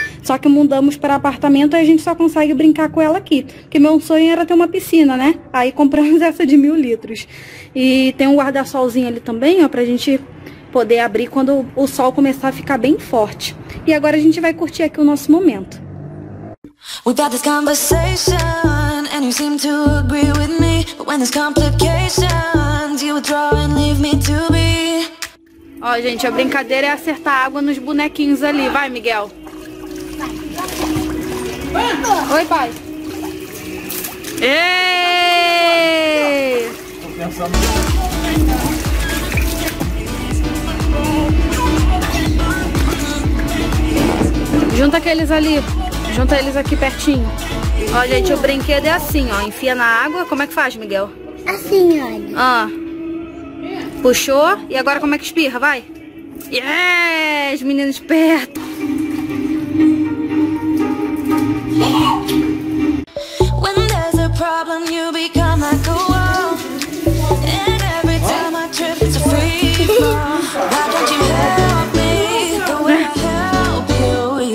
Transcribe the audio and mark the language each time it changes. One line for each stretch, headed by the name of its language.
Portuguese: Só que mudamos pra apartamento e a gente só consegue brincar com ela aqui. Porque meu sonho era ter uma piscina, né? Aí compramos essa de 1000 litros. E tem um guarda-solzinho ali também, ó, pra gente poder abrir quando o sol começar a ficar bem forte. E agora a gente vai curtir aqui o nosso momento.
English: We've had this conversation and you seem to agree with me. But when there's complications you withdraw and leave me to be.
Portuguese: Ó, gente, a brincadeira é acertar água nos bonequinhos ali. Vai, Miguel. Oi, pai. Ei! Junta aqueles ali. Junta eles aqui pertinho. Ó, gente, o brinquedo é assim, ó. Enfia na água. Como é que faz, Miguel? Assim, olha. Ó. Puxou. E agora como é que espirra? Vai. Yes, menino esperto.
English: When there's a problem, you become a cool. And every time I trip, it's a free fall. Why don't you help me the way I help you?